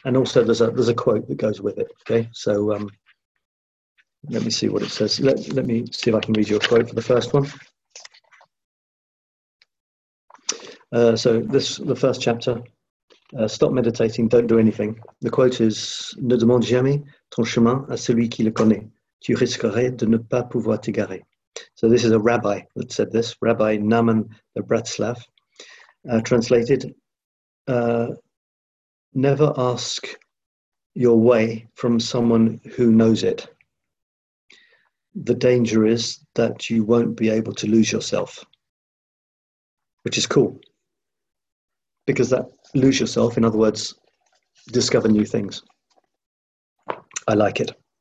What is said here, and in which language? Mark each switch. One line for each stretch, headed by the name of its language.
English: And also, there's a quote that goes with it. Okay, so let me see what it says. Let me see if I can read you a quote for the first one. So the first chapter, stop meditating, don't do anything. The quote is:
French: Ne demande jamais ton chemin à celui qui le connaît. Tu risquerais de ne pas pouvoir t'égarer.
English: So this is a rabbi that said this, Rabbi Naaman de Bratslav, translated. Never ask your way from someone who knows it. The danger is that you won't be able to lose yourself, which is cool, because that lose yourself, in other words, discover new things. I like it.